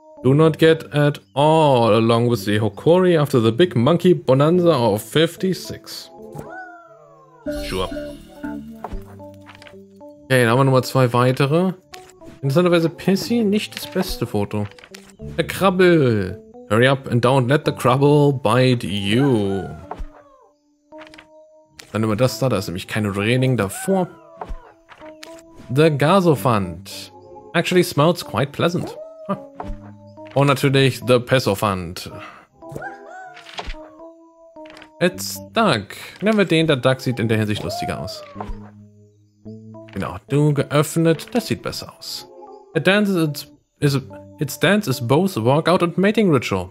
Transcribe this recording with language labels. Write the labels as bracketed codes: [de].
[en] Do not get at all along with the Hokori after the big monkey bonanza of 56. Sure. [de] Okay, dann haben wir nochmal 2 weitere. Interessanterweise Pissy, nicht das beste Foto. Der Krabbel! [en] Hurry up and don't let the Krabbel bite you. [de] Dann nehmen wir das da, da ist nämlich kein Raining davor. [en] The Gasophant. Actually smells quite pleasant. Huh. [de] Und natürlich the Pessophant. [en] It's Duck. [de] Nehmen wir den, der Duck sieht in der Hinsicht lustiger aus. Genau, du geöffnet, das sieht besser aus. [en] It dances, its dance is both workout and mating ritual.